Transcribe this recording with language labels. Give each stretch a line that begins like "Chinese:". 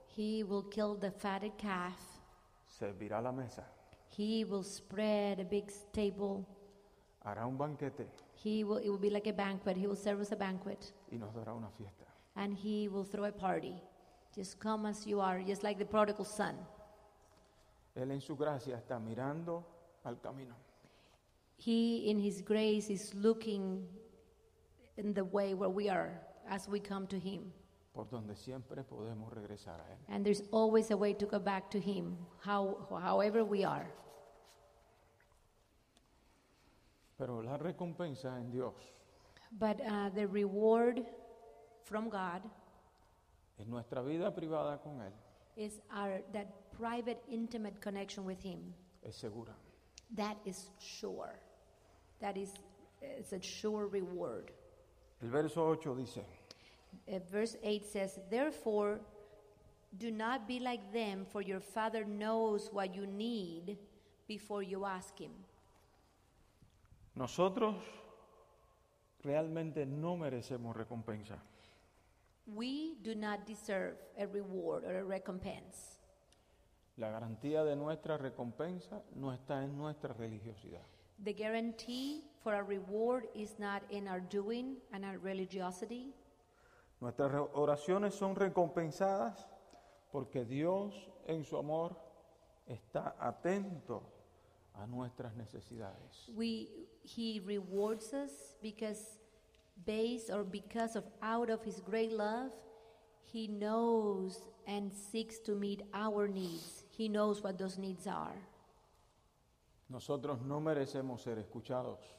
English: He will kill the fatted calf.
Spanish: Servirá la mesa.
English: He will spread a big table.
Spanish: Hará un banquete.
English: It will be like a banquet. He will serve us a banquet.
Spanish: Y nos dará una fiesta.
English: And He will throw a party. Just come as you are, just like the prodigal son.
Spanish: Él en su gracia está mirando al camino.
English: He in His grace is looking in the way where we are as we come to Him.
Spanish: Por donde siempre podemos regresar a Él.
English: And there's always a way to go back to Him, however we are.
Spanish: Pero la recompensa en Dios.
English: But the reward from God
Spanish: es nuestra vida privada con él.
English: Is our that private intimate connection with him.
Spanish: Es segura.
English: That is sure. That is it's a sure reward.
Spanish: El verso 8 dice.
English: Verse 8 says, therefore do not be like them, for your Father knows what you need before you ask him.
Spanish: Nosotros realmente no merecemos recompensa.
English: We do not deserve a reward or a recompense.
Spanish: La garantía de nuestra recompensa no está en nuestra religiosidad.
English: The guarantee for a reward is not in our doing and our religiosity.
Spanish: Nuestras oraciones son recompensadas porque Dios en su amor está atento a nuestras necesidades.
English: He rewards us because of out of his great love, he knows and seeks to meet our needs. He knows what those needs are.
Spanish: Nosotros no merecemos ser escuchados.